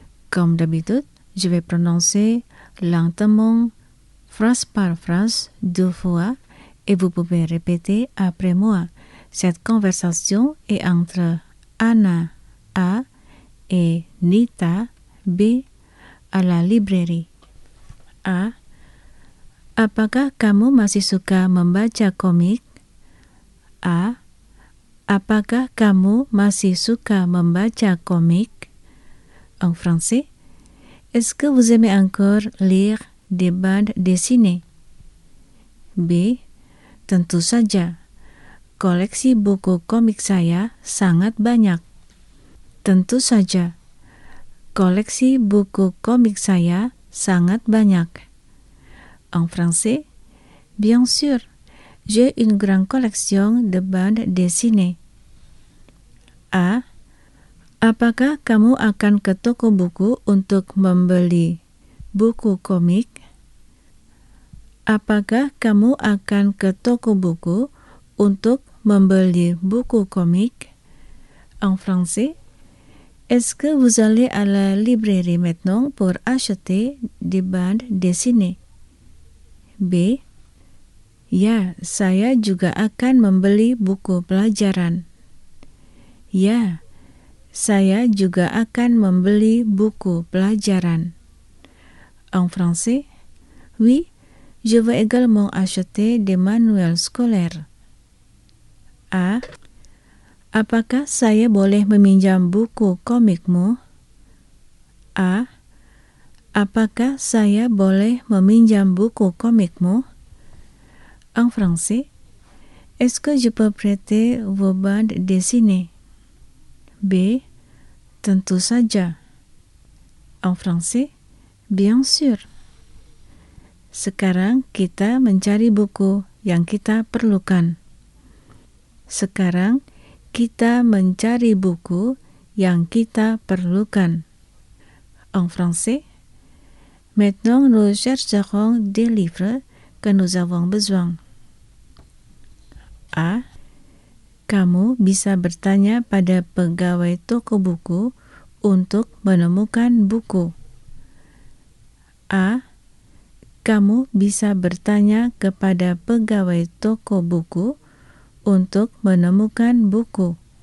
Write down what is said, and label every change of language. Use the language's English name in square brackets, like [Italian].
[French] Comme d'habitude, je vais prononcer lentement phrase par phrase deux fois. Et vous pouvez répéter après moi. Cette conversation est entre Anna A et Nita B à la librairie. A. [Indonesian] Apakah kamu masih suka membaca komik? A. Apakah kamu masih suka membaca komik? [French] En français. Est-ce que vous aimez encore lire des bandes dessinées? [Indonesian] B. Tentu saja, koleksi buku komik saya sangat banyak. Tentu saja, koleksi buku komik saya sangat banyak. [French] En français, bien sûr, j'ai une grande collection de bandes dessinées. A. [Indonesian] Apakah kamu akan ke toko buku untuk membeli buku komik? Apakah kamu akan ke toko buku untuk membeli buku komik? [French] En français, est-ce que vous allez à la librairie maintenant pour acheter des bandes dessinées? [Indonesian] B. Ya, saya juga akan membeli buku pelajaran. Ya, saya juga akan membeli buku pelajaran. [French] En français, oui. Je veux également acheter des manuels scolaires. [Indonesian] A. Apakah saya boleh meminjam buku komikmu? A. Apakah saya boleh meminjam buku komikmu? [French] En français. Est-ce que je peux prêter vos bandes dessinées? B. [Indonesian] Tanto saja. [French] En français, bien sûr. [Indonesian] Sekarang kita mencari buku yang kita perlukan. Sekarang kita mencari buku yang kita perlukan. [French] En français, maintenant nous chercherons des livres que nous avons besoin. A. [Indonesian] Kamu bisa bertanya pada pegawai toko buku untuk menemukan buku. A. Kamu bisa bertanya kepada pegawai toko buku untuk menemukan buku.